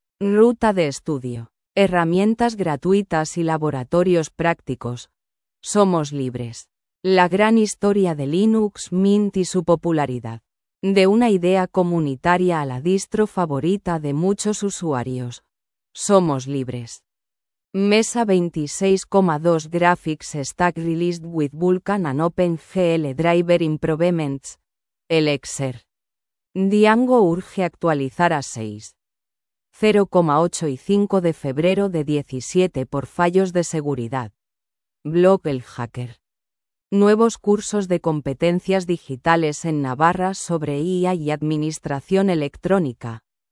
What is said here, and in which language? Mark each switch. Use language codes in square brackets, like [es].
[es] Ruta de estudio, herramientas gratuitas y laboratorios prácticos. Somos libres. La gran historia de Linux Mint y su popularidad. De una idea comunitaria a la distro favorita de muchos usuarios. Somos libres. [en] Mesa 26.2 Graphics Stack released with Vulkan and OpenGL Driver Improvements. [es] Elixir. Django urge actualizar a 6.0.8 y 5 de febrero de 17 por fallos de seguridad. Blog El Hacker. Nuevos cursos de competencias digitales en Navarra sobre IA y administración electrónica.